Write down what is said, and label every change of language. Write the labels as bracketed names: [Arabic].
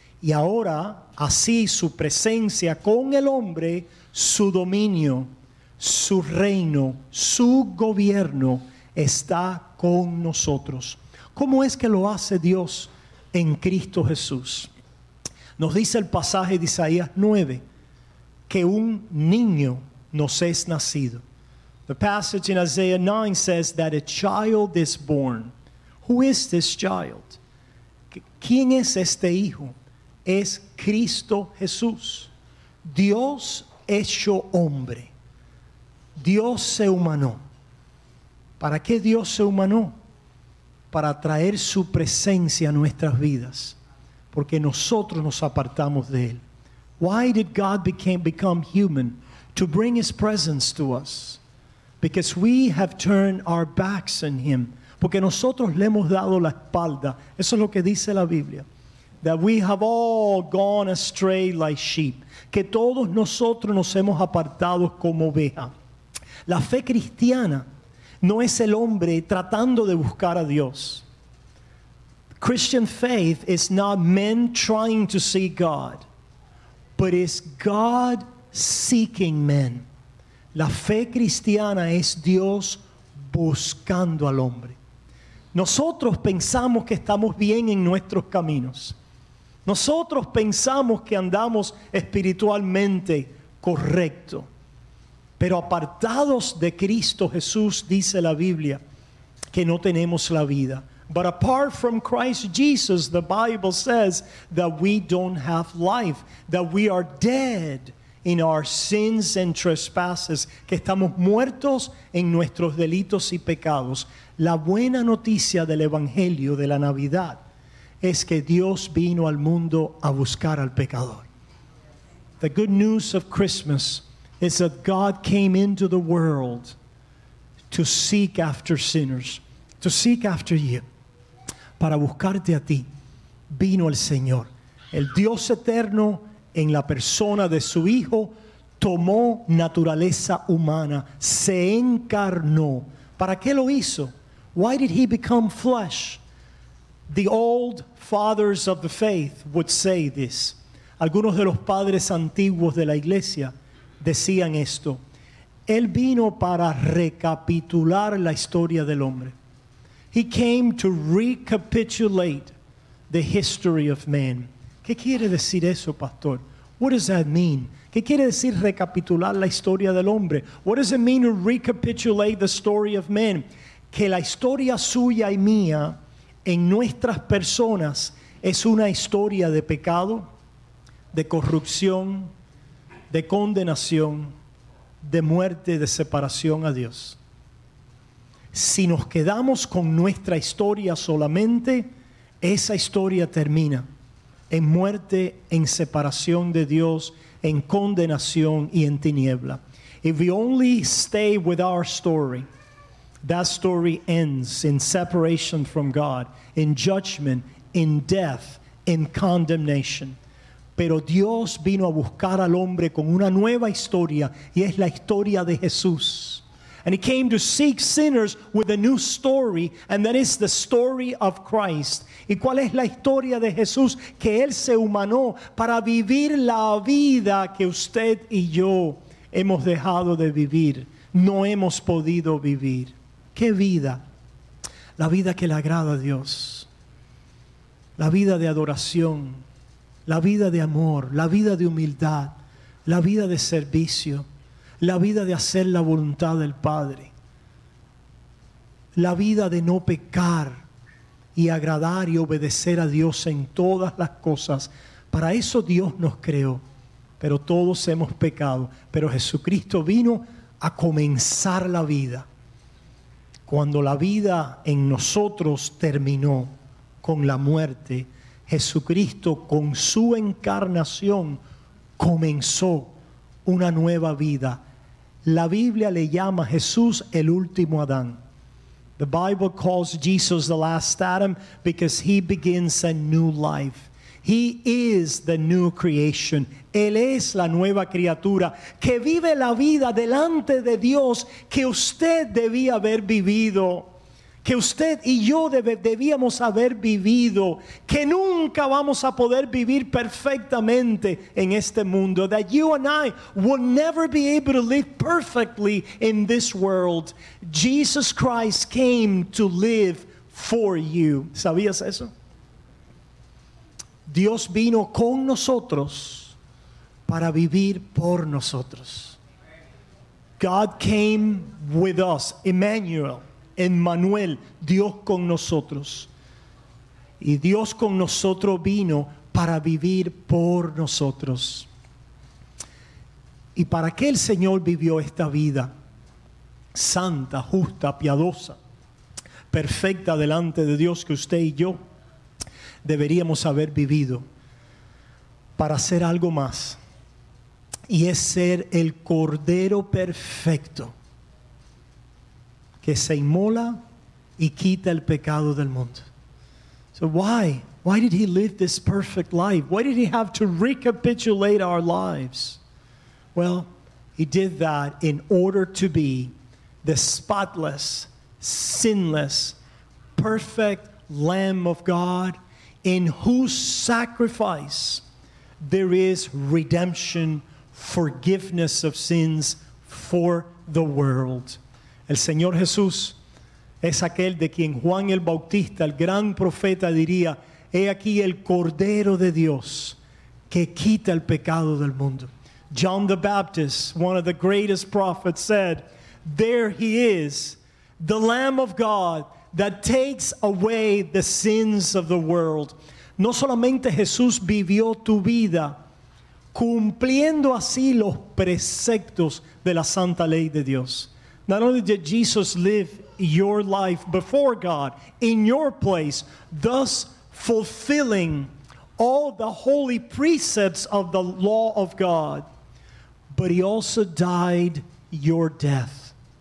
[Spanish] Y ahora, así su presencia con el hombre, su dominio, su reino, su gobierno está con nosotros. ¿Cómo es que lo hace Dios en Cristo Jesús? Nos dice el pasaje de Isaías 9, que un niño nos es nacido. [English] The passage in Isaiah 9 says that a child is born. Who is this child? [Spanish] ¿Quién es este hijo? Es Cristo Jesús, Dios hecho hombre. Dios se humanó. ¿Para qué Dios se humanó? Para traer su presencia a nuestras vidas, porque nosotros nos apartamos de él. [English] Why did God become human? To bring his presence to us. Because we have turned our backs on him. [Spanish] Porque nosotros le hemos dado la espalda. Eso es lo que dice la Biblia. [English] That we have all gone astray like sheep. [Spanish] Que todos nosotros nos hemos apartado como oveja. La fe cristiana no es el hombre tratando de buscar a Dios. [English] Christian faith is not men trying to see God, but it's God seeking men. [Spanish] La fe cristiana es Dios buscando al hombre. Nosotros pensamos que estamos bien en nuestros caminos. Nosotros pensamos que andamos espiritualmente correcto. Pero apartados de Cristo Jesús, dice la Biblia, que no tenemos la vida. [English] But apart from Christ Jesus, the Bible says that we don't have life, that we are dead in our sins and trespasses, [Spanish] que estamos muertos en nuestros delitos y pecados. La buena noticia del Evangelio de la Navidad es que Dios vino al mundo a buscar al pecador. [English] The good news of Christmas is that God came into the world to seek after sinners, to seek after you. [Spanish] Para buscarte a ti, vino el Señor. El Dios eterno, en la persona de su Hijo, tomó naturaleza humana, se encarnó. ¿Para qué lo hizo? [English] Why did he become flesh? The old fathers of the faith would say this. [Spanish] Algunos de los padres antiguos de la iglesia decían esto. Él vino para recapitular la historia del hombre. [English] He came to recapitulate the history of man. [Spanish] ¿Qué quiere decir eso, pastor? [English] What does that mean? [Spanish] ¿Qué quiere decir recapitular la historia del hombre? [English] What does it mean to recapitulate the story of man? [Spanish] Que la historia suya y mía en nuestras personas es una historia de pecado, de corrupción, de condenación, de muerte, de separación a Dios. Si nos quedamos con nuestra historia solamente, esa historia termina en muerte, en separación de Dios, en condenación y en tiniebla. [English] If we only stay with our story, that story ends in separation from God, in judgment, in death, in condemnation. [Spanish] Pero Dios vino a buscar al hombre con una nueva historia, y es la historia de Jesús. [English] And he came to seek sinners with a new story, and that is the story of Christ. [Spanish] ¿Y cuál es la historia de Jesús? Que él se humanó para vivir la vida que usted y yo hemos dejado de vivir, no hemos podido vivir. ¿Qué vida? La vida que le agrada a Dios. La vida de adoración. La vida de amor. La vida de humildad. La vida de servicio. La vida de hacer la voluntad del Padre. La vida de no pecar y agradar y obedecer a Dios en todas las cosas. Para eso Dios nos creó. Pero todos hemos pecado. Pero Jesucristo vino a comenzar la vida. Cuando la vida en nosotros terminó con la muerte, Jesucristo con su encarnación comenzó una nueva vida. La Biblia le llama Jesús el último Adán. [English] The Bible calls Jesus the last Adam because he begins a new life. He is the new creation. [Spanish] Él es la nueva criatura que vive la vida delante de Dios que usted debía haber vivido, que usted y yo debíamos haber vivido, que nunca vamos a poder vivir perfectamente en este mundo. [English] That you and I will never be able to live perfectly in this world. Jesus Christ came to live for you. [Spanish] ¿Sabías eso? Dios vino con nosotros para vivir por nosotros. [English] God came with us, Emmanuel. Emmanuel, [Spanish] Dios con nosotros. Y Dios con nosotros vino para vivir por nosotros. ¿Y para qué el Señor vivió esta vida santa, justa, piadosa, perfecta delante de Dios que usted y yo deberíamos haber vivido? Para hacer algo más. Y es ser el Cordero perfecto que se inmola y quita el pecado del mundo. [English] So why? Why did he live this perfect life? Why did he have to recapitulate our lives? Well, he did that in order to be the spotless, sinless, perfect Lamb of God, in whose sacrifice there is redemption, forgiveness of sins for the world. [Spanish] El Señor Jesús es aquel de quien Juan el Bautista, el gran profeta, diría: he aquí el Cordero de Dios que quita el pecado del mundo. [English] John the Baptist, one of the greatest prophets, said, there he is, the Lamb of God that takes away the sins of the world. [Spanish] No solamente Jesús vivió tu vida cumpliendo así los preceptos de la santa ley de Dios. [English] Not only did Jesus live your life before God, in your place, thus fulfilling all the holy precepts of the law of God, but he also died your death.